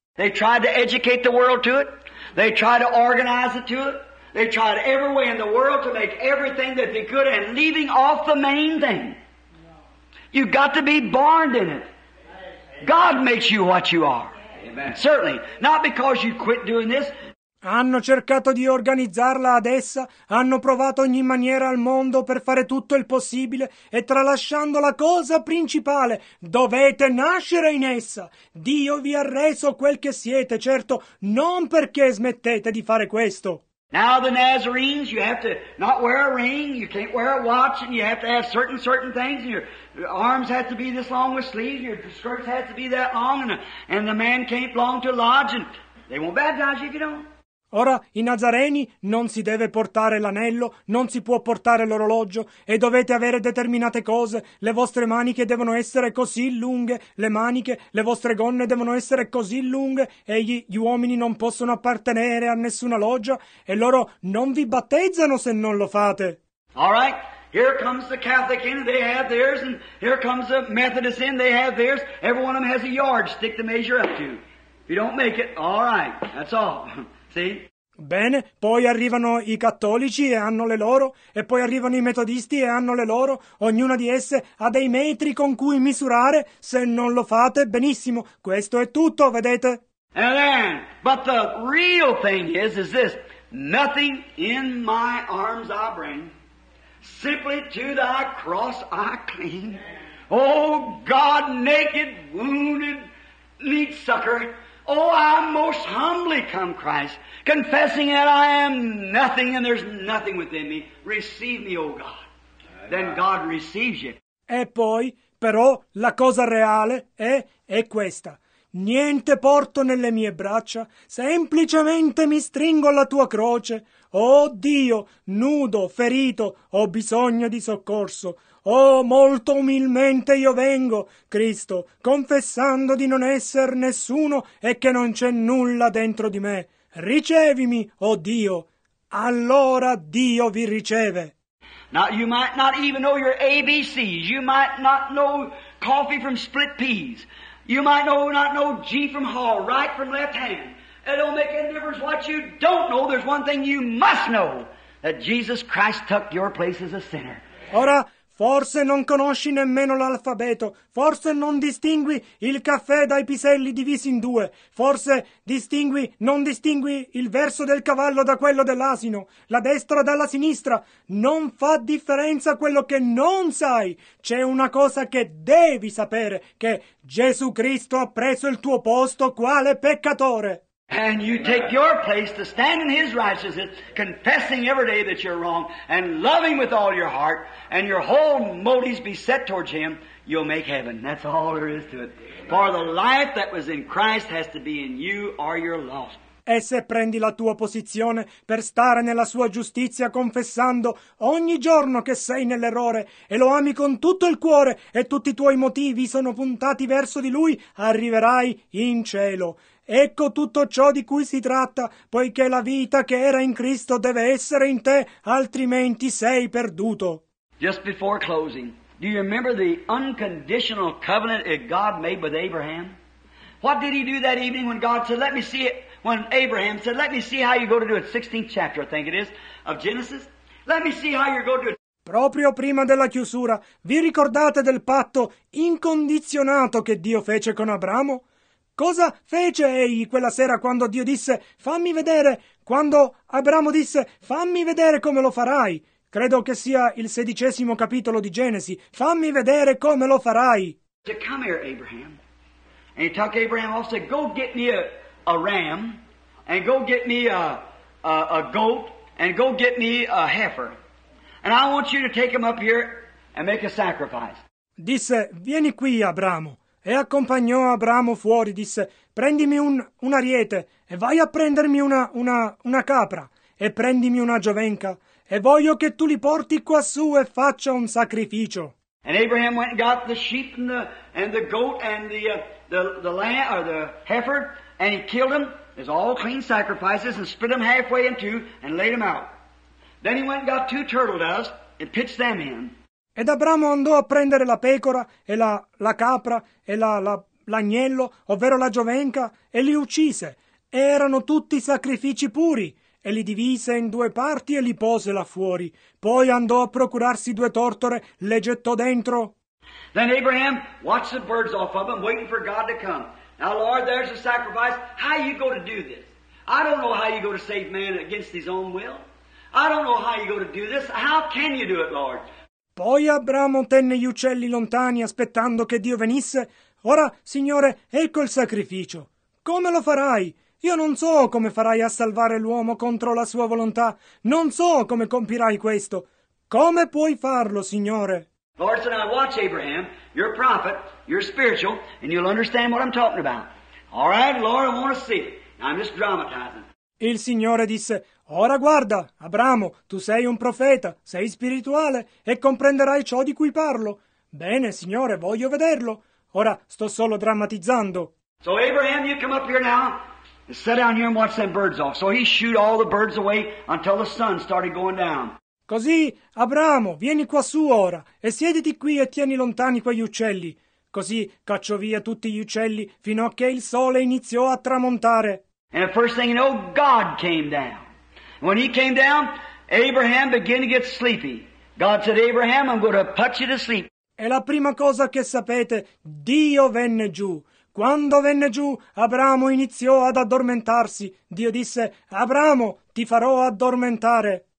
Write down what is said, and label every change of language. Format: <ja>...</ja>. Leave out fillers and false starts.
<en>They tried to educate the world to it, they tried to organize it to it, they tried every way in the world to make everything that they could, and leaving off the main thing. You've got to be born in it. God makes you what you are. Certainly, not because you quit doing this.</en> <it>Hanno cercato di organizzarla ad essa, hanno provato ogni maniera al mondo per fare tutto il possibile, e tralasciando la cosa principale, dovete nascere in essa. Dio vi ha reso quel che siete, certo, non perché smettete di fare questo.</it> <en>Now the Nazarenes, you have to not wear a ring, you can't wear a watch, and you have to have certain things, and your arms have to be this long with sleeves, your skirts have to be that long, and the man can't belong to a lodge, and they won't baptize you if you don't.</en> <it>Ora, i Nazareni non si deve portare l'anello, non si può portare l'orologio, e dovete avere determinate cose, le vostre maniche devono essere così lunghe, le vostre gonne devono essere così lunghe, e gli uomini non possono appartenere a nessuna loggia, e loro non vi battezzano se non lo fate.</it> <en>All right, here comes the Catholic in, they have theirs, and here comes the Methodist in, they have theirs, every one of them has a yardstick to measure up to. If you don't make it, all right, that's all.</en> <it>Bene, poi arrivano i cattolici e hanno le loro, e poi arrivano i metodisti e hanno le loro, ognuna di esse ha dei metri con cui misurare, se non lo fate, benissimo, questo è tutto, vedete?</it> <en>And then, but the real thing is this, nothing in my arms I bring, simply to thy cross I cling, oh God, naked, wounded, meat sucker, oh, I most humbly come, Christ, confessing that I am nothing and there's nothing within me. Receive me, O God. Then God receives you.</en> <it>E poi, però, la cosa reale è questa. Niente porto nelle mie braccia, semplicemente mi stringo alla tua croce. Oh, Dio, nudo, ferito, ho bisogno di soccorso. Oh, molto umilmente io vengo, Cristo, confessando di non essere nessuno e che non c'è nulla dentro di me. Ricevimi, oh Dio. Allora Dio vi riceve.</it> <en>Now you might not even know your ABCs. You might not know coffee from split peas. You might not know G from Hall, right from left hand. It don't make any difference what you don't know. There's one thing you must know, that Jesus Christ took your place as a sinner.</en> <it>Ora, forse non conosci nemmeno l'alfabeto, forse non distingui il caffè dai piselli divisi in due, forse non distingui il verso del cavallo da quello dell'asino, la destra dalla sinistra, non fa differenza quello che non sai. C'è una cosa che devi sapere, che Gesù Cristo ha preso il tuo posto quale peccatore.</it> <en>And you take your place to stand in His righteousness, confessing every day that you're wrong, and loving with all your heart, and your whole motives be set towards Him, you'll make heaven. That's all there is to it. For the life that was in Christ has to be in you, or you're lost.</en> <it>E se prendi la tua posizione per stare nella sua giustizia confessando ogni giorno che sei nell'errore e lo ami con tutto il cuore e tutti i tuoi motivi sono puntati verso di lui, arriverai in cielo. Ecco tutto ciò di cui si tratta, poiché la vita che era in Cristo deve essere in te, altrimenti sei perduto.</it> <en>Just before closing, do you remember the unconditional covenant that God made with Abraham? What did he do that evening when God said, let me see it? When Abraham said, let me see how you go to do it, 16th chapter, I think it is, of Genesis. Let me see how you're going to do it.</en> <it>Proprio prima della chiusura, vi ricordate del patto incondizionato che Dio fece con Abramo? Cosa fece egli quella sera quando Dio disse, fammi vedere, quando Abramo disse, fammi vedere come lo farai? Credo che sia il 16° capitolo di Genesi. Fammi vedere come lo farai.</it> <en>To come here, Abraham. And he took Abraham off, said, go get me a ram, and go get me a goat, and go get me a heifer. And I want you to take him up here and make a sacrifice.</en> <it>Disse, vieni qui, Abramo. E accompagnò Abramo fuori, disse, prendimi un ariete, e vai a prendermi una capra, e prendimi una giovenca, e voglio che tu li porti quassù e faccia un sacrificio.</it> <en>And Abraham went and got the sheep and the goat and the lamb, or the heifer, and he killed them, as all clean sacrifices, and split them halfway in two, and laid them out. Then he went and got two turtle doves, and pitched them in.</en> <it>Ed Abramo andò a prendere la pecora e la capra e l'agnello, ovvero la giovenca, e li uccise. Erano tutti sacrifici puri, e li divise in due parti e li pose là fuori. Poi andò a procurarsi due tortore, le gettò dentro.</it> <en>Then Abraham watched the birds off of them, waiting for God to come. Now, Lord, there's a sacrifice. How are you going to do this? I don't know how you're going to save man against his own will. I don't know how you're going to do this. How can you do it, Lord?</en> <it>Poi Abramo tenne gli uccelli lontani, aspettando che Dio venisse. Ora, Signore, ecco il sacrificio. Come lo farai? Io non so come farai a salvare l'uomo contro la sua volontà. Non so come compirai questo. Come puoi farlo, Signore?</it> <en>Lord said, I watch Abraham, you're a prophet, you're spiritual, and you'll understand what I'm talking about. All right, Lord, I want to see it. I'm just dramatizing.</en> <it>Il Signore disse, ora guarda, Abramo, tu sei un profeta, sei spirituale, e comprenderai ciò di cui parlo. Bene, Signore, voglio vederlo. Ora sto solo drammatizzando.</it> <en>So Abraham, you come up here now, and sit down here and watch them birds off. So he shoot all the birds away until the sun started going down.</en> <it>Così, Abramo, vieni qua su ora, e siediti qui e tieni lontani quegli uccelli. Così cacciò via tutti gli uccelli fino a che il sole iniziò a tramontare.</it> <en>And the first thing you know, God came down. When he came down, Abraham began to get sleepy. God said, Abraham, I'm going to put you to sleep.</en> <it>E la prima cosa che sapete, Dio venne giù. Quando venne giù, Abramo iniziò ad addormentarsi. Dio disse, Abramo, ti farò addormentare.</it>